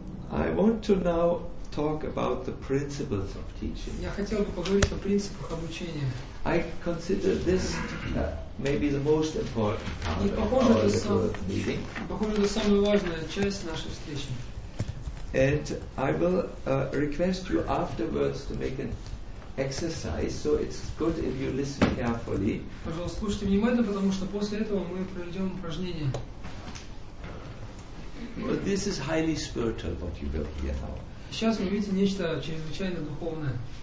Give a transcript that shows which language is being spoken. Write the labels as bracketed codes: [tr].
[en] I want to now talk about the principles of teaching. [ru] Я хотел бы поговорить о принципах обучения. [en] I consider this maybe the most important part of our little meeting. [ru] Похоже, это самая важная часть нашей встречи. [en] And I will request you afterwards to make an exercise, so it's good if you listen carefully. [ru] Пожалуйста, слушайте внимательно, потому что после этого мы проведем упражнение. [en] But this is highly spiritual what you will hear now. [ru] Сейчас вы видите нечто чрезвычайно духовное.